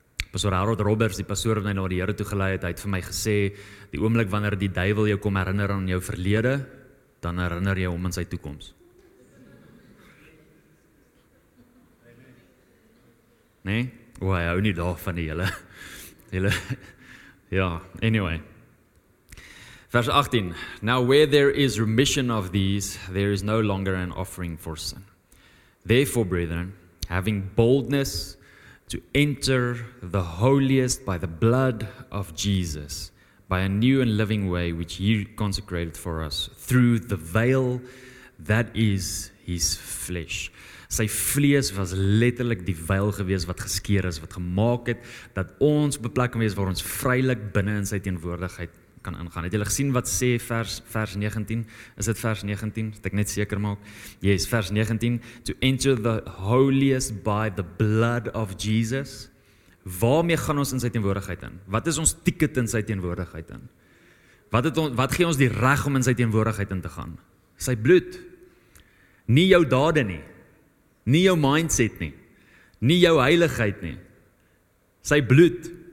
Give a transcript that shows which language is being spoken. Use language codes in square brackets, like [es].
[af] Pastor Harold Roberts, die pastoor wat my na die Here toe gelei het, hy het vir my gesê, die oomblik wanneer die duivel jou kom herinner aan jou verlede, dan herinner jy hom in sy toekoms. Nee? O, hy hou nie daar van die hele. Ja, anyway. [en] Vers 18, now where there is remission of these, there is no longer an offering for sin. Therefore, brethren, having boldness to enter the holiest by the blood of Jesus, by a new and living way which he consecrated for us through the veil that is his flesh. [af] Sy vlees was letterlik die veil gewees wat geskeur is, wat gemaak het dat ons beplek kan wees waar ons vrylik binne in sy teenwoordigheid kan ingaan. Het julle gesien wat sê vers 19? Is dit vers 19? Het ek net seker maak? Yes, vers 19. [en] To enter the holiest by the blood of Jesus. [af] Waarmee gaan ons in sy teenwoordigheid in? Wat is ons ticket in sy teenwoordigheid in? Wat gee ons die reg om in sy teenwoordigheid in te gaan? Sy bloed. Nie jou dade nie. Nie jou mindset nie. Nie jou heiligheid nie. Sy bloed.